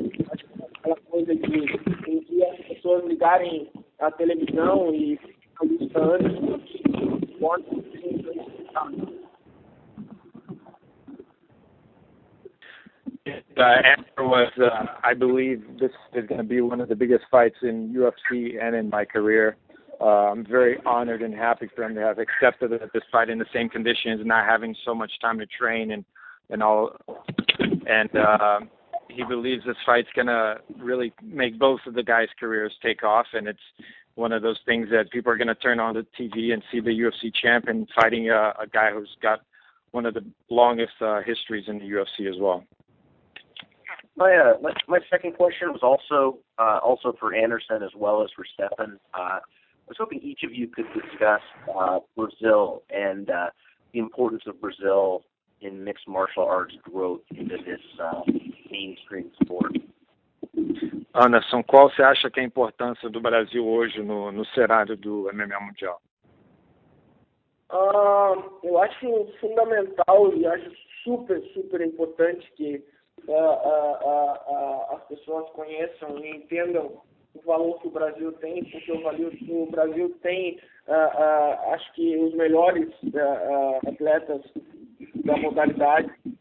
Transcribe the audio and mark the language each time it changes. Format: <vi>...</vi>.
<pt>Acho que é aquela coisa de um dia as pessoas ligarem a televisão e ficar lutando, Bourne tem que estar.</pt> <en>Answer was, I believe this is going to be one of the biggest fights in UFC and in my career. I'm very honored and happy for him to have accepted this fight in the same conditions, not having so much time to train and all. And he believes this fight's going to really make both of the guys' careers take off. And it's one of those things that people are going to turn on the TV and see the UFC champion fighting a guy who's got one of the longest histories in the UFC as well. My second question was also for Anderson as well as for Stephen. I was hoping each of you could discuss Brazil and the importance of Brazil in mixed martial arts growth into this mainstream sport.</en> <pt>Anderson, qual você acha que é a importância do Brasil hoje no cenário do MMA mundial? Eu acho fundamental e acho super, super importante que as pessoas conheçam e entendam o valor que o Brasil tem, porque o Brasil tem acho que os melhores atletas da modalidade.</pt>